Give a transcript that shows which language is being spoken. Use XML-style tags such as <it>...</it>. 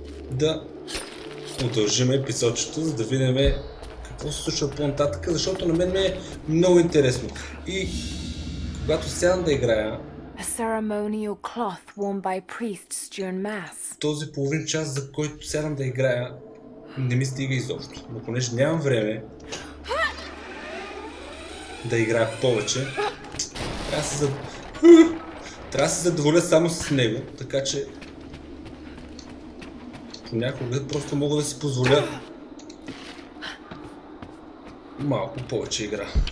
<bg>Да удължим епизодчето, за да видим какво се случва по-нататък, защото на мен ми е много интересно. И когато сядам да играя...</bg> <en>A ceremonial cloth worn by priests during mass.</en> <bg>Този половин час, за който сядам да играя, не ми стига изобщо. Но понеже нямам време да играя повече, трябва да се задоволя само с него, така че понякога просто мога да си позволя малко повече игра.</bg>